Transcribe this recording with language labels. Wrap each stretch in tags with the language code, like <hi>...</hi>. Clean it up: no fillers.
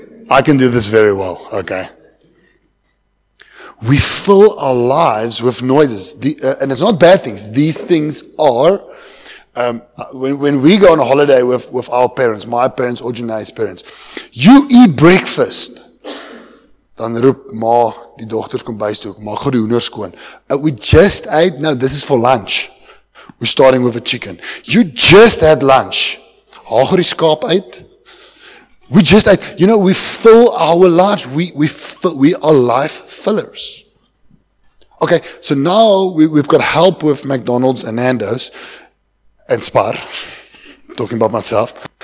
<en>I can do this very well, okay? We fill our lives with noises. And it's not bad things. These things are... When we go on a holiday with our parents, my parents or Janae's parents, you eat breakfast.</en> <af>Dan roep ma, die dogters kom bys toe, maak gou die hoenders skoon.</af> <en>We just ate, now this is for lunch. We're starting with a chicken. You just had lunch.</en> <af>Haal gou die skaap uit.</af> <en>We just ate. You know, we fill our lives. We are life fillers. Okay, so now we've got help with McDonald's and Nando's and Spar, talking about myself.</en>